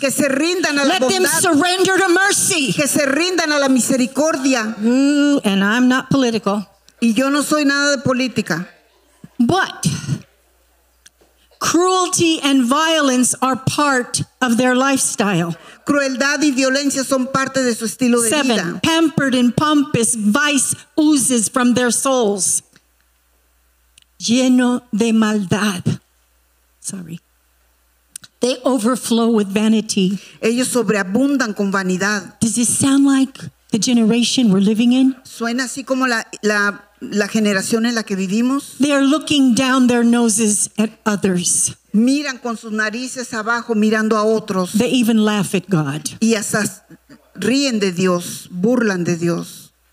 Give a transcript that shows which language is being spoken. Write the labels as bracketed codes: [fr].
[es] Que se rindan a la [en] Let [es] bondad. [en] Them surrender to mercy. [es] Que se rindan a la misericordia. [en] Ooh, and I'm not political. [es] Y yo no soy nada de política. [en] But cruelty and violence are part of their lifestyle. [es] Crueldad y violencia son parte de su estilo de [en] Seven, [es] vida. [en] Seven, pampered and pompous, vice oozes from their souls. [es] Lleno de maldad. [en] Sorry. They overflow with vanity. [es] Ellos sobreabundan con vanidad. [en] Does this sound like the generation we're living in? [es] Suena así como la generación en la que vivimos. [en] They are looking down their noses at others. [es] Miran con sus narices abajo mirando a otros. [en] They even laugh at God. [es] Y hasta ríen de Dios, burlan de Dios.